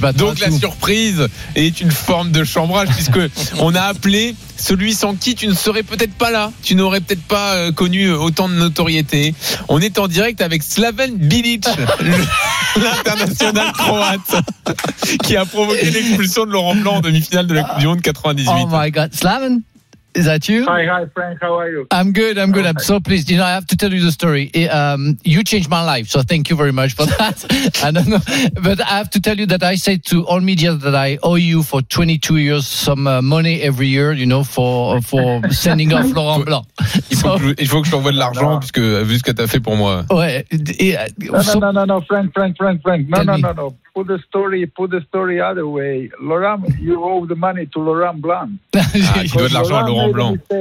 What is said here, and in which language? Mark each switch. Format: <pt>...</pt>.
<fr>Donc la surprise est une forme de chambrage puisque on a appelé celui sans qui tu ne serais peut-être pas là. Tu n'aurais peut-être pas connu autant de notoriété. On est en direct avec Slaven Bilic, l'international croate, qui a provoqué l'expulsion de Laurent Blanc en demi-finale de la Coupe du Monde 98.</fr> <en>Oh my god, Slaven? Is that you? Hi, Frank. How are you? I'm good. Okay. I'm so pleased. You know, I have to tell you the story. You changed my life, so thank you very much for that. I don't know. But I have to tell you that I say to all media that I owe you for 22 years some money every year, you know, for sending off Laurent Blanc.</en> <fr>Il faut que je t'envoie de l'argent, puisque, vu ce que tu as fait pour moi. Ouais.</fr> <en>No, Frank. No. Put the story other way. Laurent, you owe the money to Laurent Blanc.</en> <fr>Ah, il doit de l'argent à Laurent Blanc.</fr>